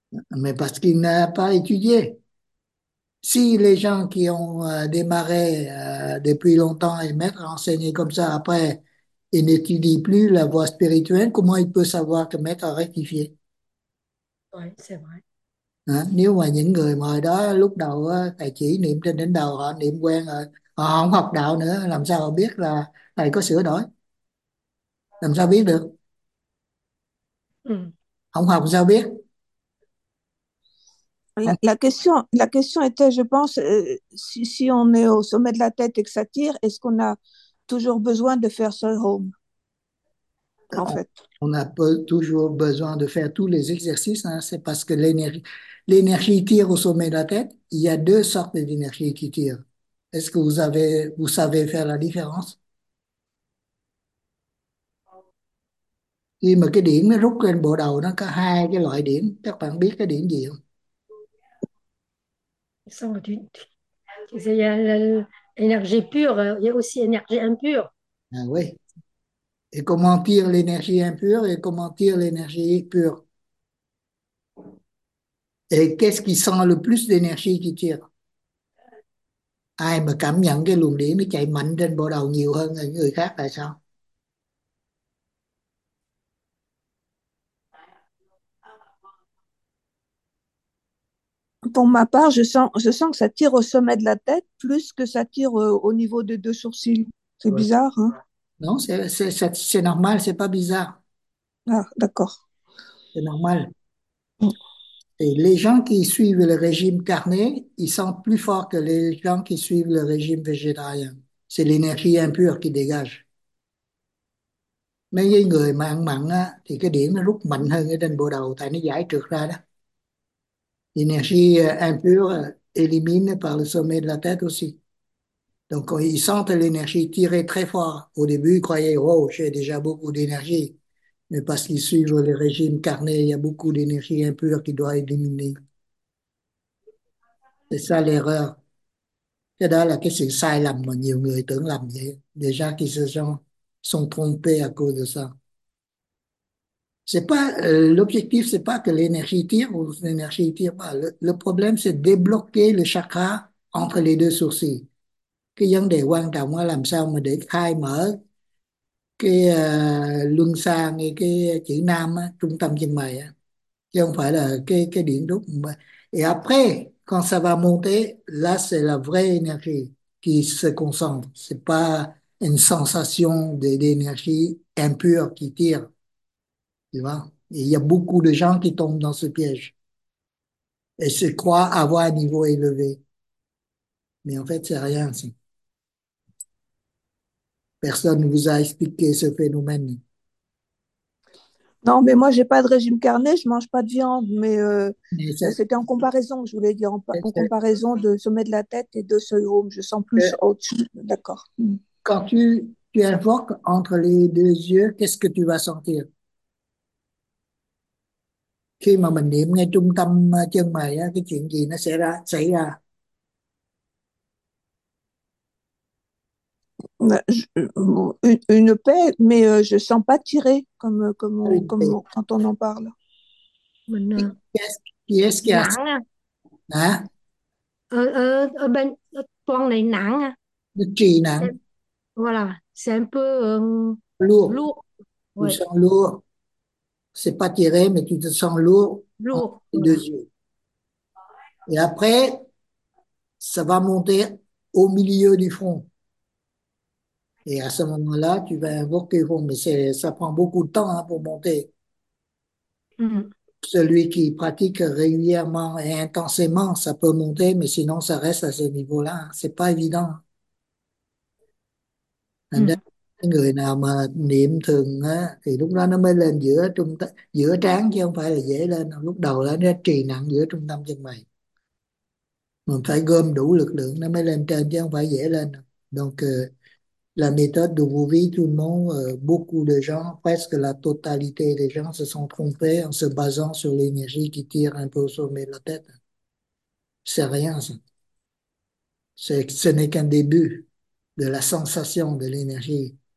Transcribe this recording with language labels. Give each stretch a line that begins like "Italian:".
French: Mais parce qu'il n'a pas étudié. Si les gens qui ont démarré depuis longtemps et maître enseigné comme ça après, il n'étudie plus la voie spirituelle, comment il peut savoir que maître a rectifié? Ouais, c'est vrai. Hein?
Vietnamese: Nếu mà những người mà đó lúc đầu thầy chỉ niệm trên đỉnh đầu họ niệm quen rồi, họ không học đạo nữa, làm sao họ biết là thầy có sửa đổi? Làm sao biết được? Không học sao biết?
French: La question était, je pense, si on est au sommet de la tête et que ça tire, est-ce qu'on a toujours besoin de faire ce home, en fait? On a toujours besoin de faire tous les exercices, hein. C'est parce que l'énergie tire au sommet de la tête. Il y a deux sortes d'énergie qui tirent. Est-ce que vous savez faire la différence?
Vietnamese: Khi mà cái điện nó rút lên bộ đầu, nó có hai cái loại điện. Các bạn biết cái điện gì không?
French: Sont d'une énergie pure, il y a aussi énergie impure. Ah oui. Et comment tirer l'énergie impure et comment tirer l'énergie pure? Et qu'est-ce qui sent le plus d'énergie qui tire? Ai mà cảm nhận cái luồng điện nó chạy mạnh trên bộ đầu nhiều hơn là những người khác tại sao? Pour ma part, je sens que ça tire au sommet de la tête plus que ça tire au niveau des deux sourcils. C'est Ouais. bizarre, hein? Non, c'est normal, c'est pas bizarre. Ah, d'accord. C'est normal. Et les gens qui suivent le régime carné, ils sont plus forts que les gens qui suivent le régime végétarien. C'est l'énergie impure qui dégage. Mais les
Vietnamese: người mà ăn mặn á, thì cái điện nó rút mạnh hơn ở trên bộ đầu tại nó giải trượt ra đó.
French: L'énergie impure élimine par le sommet de la tête aussi. Donc, quand ils sentent l'énergie tirer très fort, au début, ils croyaient, oh, j'ai déjà beaucoup d'énergie. Mais parce qu'ils suivent le régime carné, il y a beaucoup d'énergie impure qui doit être éliminée. C'est ça l'erreur. C'est là
Vietnamese: cái sự sai lầm mà nhiều người tưởng lầm vậy.
French: Des gens qui se sont trompés à cause de ça. C'est pas, l'objectif, c'est pas que l'énergie tire ou l'énergie tire pas. Le problème, c'est débloquer le chakra entre les deux sourcils.
Vietnamese: Cái vấn đề quan trọng là làm sao mà để khai mở cái luân xa ngay cái chữ nam á, trung tâm chân mày á. Chứ không phải là cái điện rút.
French: Et après, quand ça va monter, là c'est la vraie énergie qui se concentre. C'est pas une sensation d'énergie impure qui tire. Tu vois? Et il y a beaucoup de gens qui tombent dans ce piège et se croient avoir un niveau élevé. Mais en fait, c'est rien, ça. Personne ne vous a expliqué ce phénomène. Non, mais moi, je n'ai pas de régime carné, je ne mange pas de viande, mais Mais c'était en comparaison, je voulais dire, en comparaison de sommet de la tête et de ce home, je sens plus au-dessus, d'accord. quand tu invoques entre les deux yeux, qu'est-ce que tu vas sentir?
Vietnamese: Khi mà mình niệm ngay trung tâm chân mày á, cái chuyện gì nó sẽ ra xảy ra.
French: Une paix, mais je sens pas tirer Une paix. comme quand on en parle. Maintenant, Qu'est-ce qu'il y a?
Vietnamese: nặng Hả? ở bên toàn này nặng, Nó trì nặng.
French: voilà, c'est un peu Lourd. lourd, Tu ouais, sens lourd. C'est pas tiré, mais tu te sens lourd entre lourd, les voilà. deux yeux. Et après, ça va monter au milieu du front. Et à ce moment-là, tu vas invoquer le front, mais ça prend beaucoup de temps hein, pour monter. Celui qui pratique régulièrement et intensément, ça peut monter, mais sinon, ça reste à ce niveau-là. C'est pas évident.
Vietnamese: Người nào mà niệm thường á, thì lúc đó nó mới lên giữa trung tâm giữa trán chứ không phải là dễ lên đâu. Lúc đầu là nó trì nặng giữa trung tâm chân mày, mình phải gom đủ lực lượng nó mới lên trên chứ không phải dễ lên đâu.
French: Donc la méthode de vous vie tout le monde, beaucoup de gens, presque la totalité des gens se sont trompés en se basant sur l'énergie qui tire un peu au sommet de la tête. C'est rien, ça. Ce n'est qu'un début de la sensation de l'énergie.